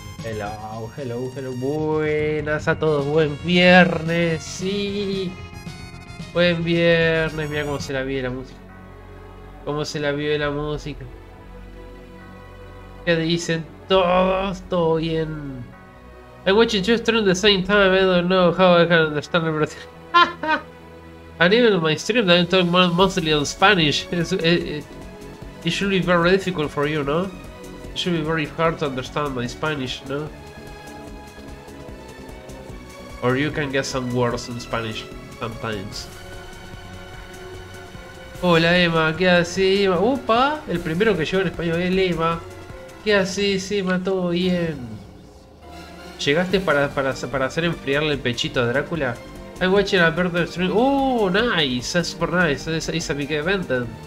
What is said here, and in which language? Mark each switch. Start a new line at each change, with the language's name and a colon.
English: Hello, hello, hello,
Spanish: buenas a todos, buen viernes, sí, buen viernes, mira cómo se la vio la música, cómo se la vio la música. ¿Qué dicen todos? Todo bien.
English: I'm watching two streams at the same time, I don't know how I can understand everything. And even in my stream, I'm talking mostly in Spanish. It should be very difficult for you, no? It should be very hard to understand my Spanish, no? Or you can get some words in Spanish sometimes.
Spanish: Hola Emma, ¿qué haces, Emma? ¡Upa! El primero que llegó en español es Emma. ¿Qué haces, Emma? ¿Todo bien? ¿Llegaste para hacer enfriarle el pechito a Drácula?
English: I'm watching a bird stream. ¡Oh, nice! That's super nice.
Spanish: Esa me quedé venden.